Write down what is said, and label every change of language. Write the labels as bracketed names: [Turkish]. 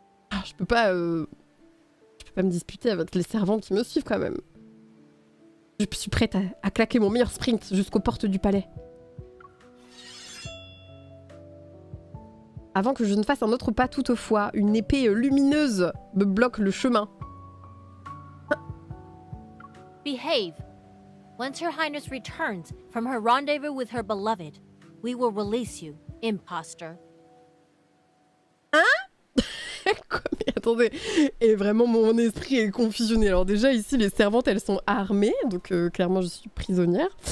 [French] Ah, je peux pas... je peux pas me disputer avec les servants qui me suivent quand même. Je suis prête à claquer mon meilleur sprint jusqu'aux portes du palais. Avant que je ne fasse un autre pas toutefois, une épée lumineuse me bloque le chemin. [English] Behave. Once Her Highness returns from her rendezvous with her beloved, we will release you, imposter. [French] Hein? Quoi, mais attendez. Et vraiment, mon esprit est confusionné. Alors déjà, ici, les servantes, elles sont armées. Donc, clairement, je suis prisonnière.